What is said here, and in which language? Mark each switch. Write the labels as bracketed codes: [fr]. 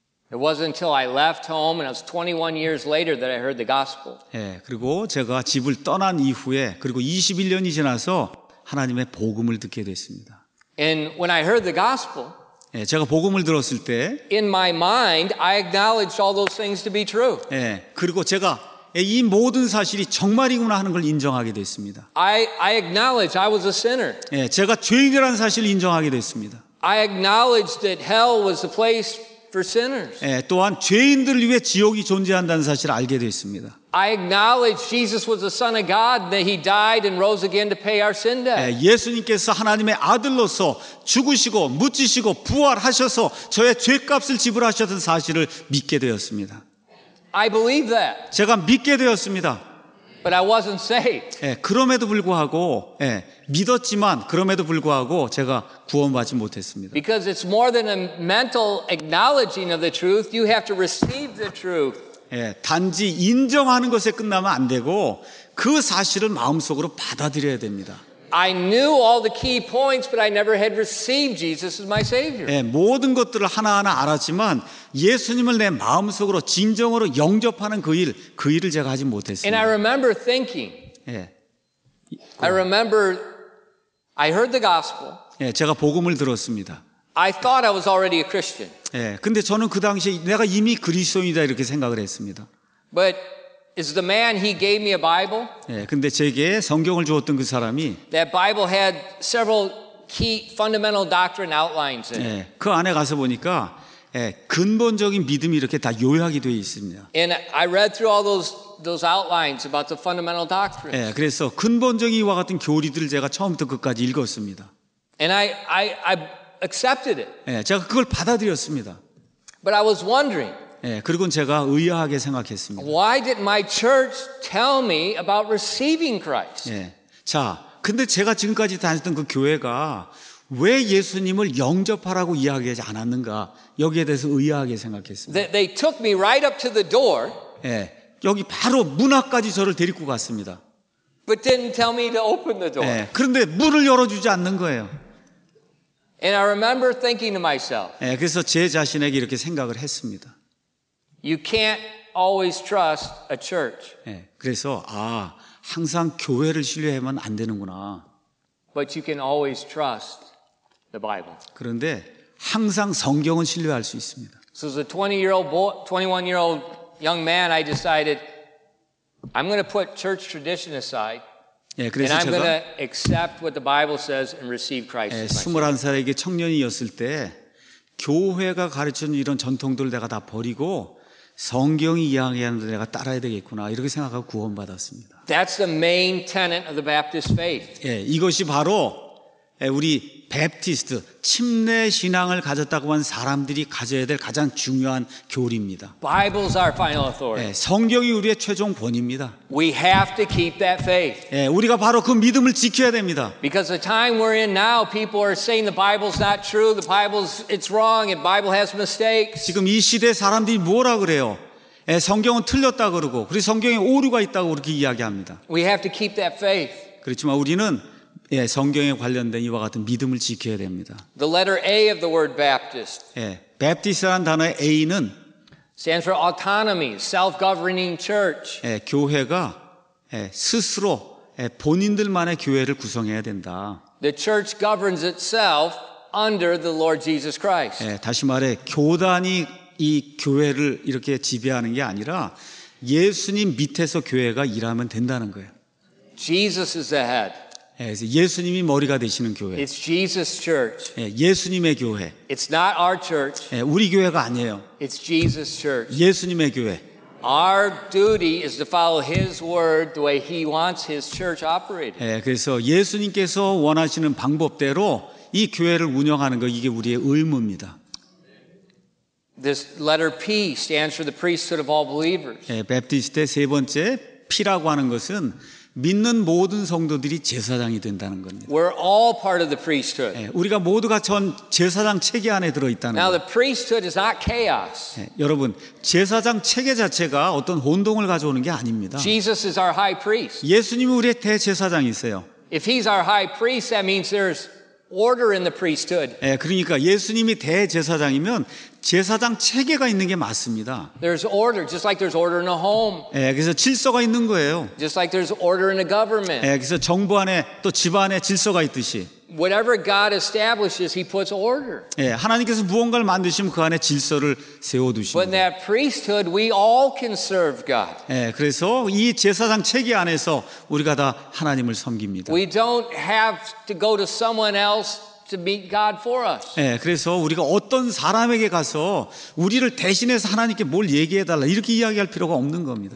[en] It wasn't until I left home and I was 21 years later that I heard the gospel. [ko] 예, 그리고 제가 집을 떠난 이후에 그리고 21년이 지나서 하나님의 복음을 듣게 됐습니다. [en] And when I heard the gospel, [ko] 예, 제가 복음을 들었을 때 [en] in my mind I acknowledged all those things to be true. [ko] 예, 그리고 제가 이 모든 사실이 정말이구나 하는 걸 인정하게 됐습니다. [en] I acknowledge I was a sinner. [ko] 예, 제가 죄인이라는 사실을 인정하게 됐습니다. [en] I acknowledged that hell was the place for sinners. [ko] 예, 또한 죄인들을 위해 지옥이 존재한다는 사실을 알게 되었습니다. [en] I acknowledge Jesus was the Son of God that he died and rose again to pay our sin debt. [ko] 예, 예수님께서 하나님의 아들로서 죽으시고 묻히시고 부활하셔서 저의 죄값을 지불하셨던 사실을 믿게 되었습니다. [en] I believe that. [ko] 제가 믿게 되었습니다. [en] But I wasn't saved. [ko] 예, 그럼에도 불구하고 예, 믿었지만 그럼에도 불구하고 제가 구원받지 못했습니다. [en] Because it's more than a mental acknowledging of the truth. You have to receive the truth. [ko] 예, 단지 인정하는 것에 끝나면 안 되고 그 사실을 마음속으로 받아들여야 됩니다. [en] I knew all the key points, but I never had received Jesus as my Savior. [ko] 예, 모든 것들을 하나하나 알았지만 예수님을 내 마음속으로 진정으로 영접하는 그 일을 제가 하지 못했어요. [en] And I remember thinking. [ko] 예. [en] I remember I heard the gospel. [ko] 예, 제가 복음을 들었습니다. [en] I thought I was already a Christian. [ko] 예, 근데 저는 그 당시에 내가 이미 그리스도인이다 이렇게 생각을 했습니다. [en] But is the man he gave me a Bible? [ko] 예, 근데 제게 성경을 주었던 그 사람이 [en] that Bible had several key fundamental doctrine outlines in it. [ko] 예, 그 안에 가서 보니까 예, 근본적인 믿음이 이렇게 다 요약이 되어 있습니다. [en] And I read through all those outlines about the fundamental doctrines. [ko] 예, 그래서 근본적인 이와 같은 교리들을 제가 처음부터 끝까지 읽었습니다. [en] And I accepted it. [ko] 예, 제가 그걸 받아들였습니다. [en] But I was wondering. [ko] 예, 그리고는 제가 의아하게 생각했습니다. [en] Why did my church tell me about receiving Christ? [ko] 예, 자, 근데 제가 지금까지 다녔던 그 교회가 왜 예수님을 영접하라고 이야기하지 않았는가 여기에 대해서 의아하게 생각했습니다. [en] They took me right up to the door. [ko] 예, 여기 바로 문 앞까지 저를 데리고 갔습니다. [en] But didn't tell me to open the door. [ko] 예, 그런데 문을 열어주지 않는 거예요. [en] And I remember thinking to myself. [ko] 예, 그래서 제 자신에게 이렇게 생각을 했습니다. [en] You can't always trust a church. [ko] 예, 그래서 아 항상 교회를 신뢰하면 안 되는구나. [en] But you can always trust the Bible. [ko] 그런데 항상 성경은 신뢰할 수 있습니다. [en] So as a 20-year-old boy, 21-year-old young man, I decided I'm going to put church tradition aside. [ko] 예, 그래서 [en] and I'm going to accept what the Bible says and receive Christ. [ko] 예, 21살에게 청년이었을 때 교회가 가르쳐준 이런 전통들을 내가 다 버리고 성경이 이야기하는 대로 내가 따라야 되겠구나 이렇게 생각하고 구원받았습니다. [en] That's the main tenet of the Baptist faith. [ko] 예, 이것이 바로 우리 Baptist 침례 신앙을 가졌다고 한 사람들이 가져야 될 가장 중요한 교리입니다. [en] Bible's our final authority. [ko] 예, 성경이 우리의 최종 본입니다. [en] We have to keep that faith. [ko] 예, 우리가 바로 그 믿음을 지켜야 됩니다. [en] Because the time we're in now, people are saying the Bible's not true, the Bible's it's wrong, and Bible has mistakes. [ko] 지금 이 시대 사람들이 뭐라 그래요? 예, 성경은 틀렸다 그러고, 그리고 성경에 오류가 있다고 그렇게 이야기합니다. [en] We have to keep that faith. [ko] 그렇지만 우리는 예, 성경에 관련된 이와 같은 믿음을 지켜야 됩니다. [en] The letter A of the word Baptist. [ko] 예, Baptist라는 단어의 A는 [en] stands for autonomy, self-governing church. [ko] 예, 교회가 예, 스스로 예, 본인들만의 교회를 구성해야 된다. [en] The church governs itself under the Lord Jesus Christ. [ko] 예, 다시 말해 교단이 이 교회를 이렇게 지배하는 게 아니라 예수님 밑에서 교회가 일하면 된다는 거예요. [en] Jesus is the head. [ko] 예수님이 머리가 되시는 교회. [en] It's Jesus' church. [ko] 예수님의 교회. [en] It's not our church. [ko] 우리 교회가 아니에요. [en] It's Jesus' church. [ko] 예수님의 교회. [en] Our duty is to follow His word the way He wants His church operated. [ko] 그래서 예수님께서 원하시는 방법대로 이 교회를 운영하는 거 이게 우리의 의무입니다. [en] This letter P stands for the priesthood of all believers. [ko] 베프티스트의 세 번째 P라고 하는 것은 믿는 모든 성도들이 제사장이 된다는 겁니다. [en] We're all part of the priesthood. [ko] 예, 우리가 모두가 전 제사장 체계 안에 들어 있다는 거예요. [en] Now the priesthood is not chaos. [ko] 예, 여러분, 제사장 체계 자체가 어떤 혼동을 가져오는 게 아닙니다. [en] Jesus is our high priest. [ko] 예수님이 우리의 대제사장이세요. [en] If he's our high priest, that means there's order in the priesthood. [ko] 예, 그러니까 예수님이 대제사장이면 제사장 체계가 있는 게 맞습니다. [en] There's order, just like there's order in a home. [ko] 예, 그래서 질서가 있는 거예요. [en] Just like there's order in a government. [ko] 예, 그래서 정부 안에 또 집안에 질서가 있듯이. [en] Whatever God establishes, He puts order. [ko] 예, 하나님께서 무언가를 만드시면 그 안에 질서를 세워두십니다. [en] But in that priesthood, we all can serve God. [ko] 예, 그래서 이 제사장 체계 안에서 우리가 다 하나님을 섬깁니다. [en] We don't have to go to someone else. To meet God for us. [ko] 예, 그래서 우리가 어떤 사람에게 가서 우리를 대신해서 하나님께 뭘 얘기해 달라 이렇게 이야기할 필요가 없는 겁니다.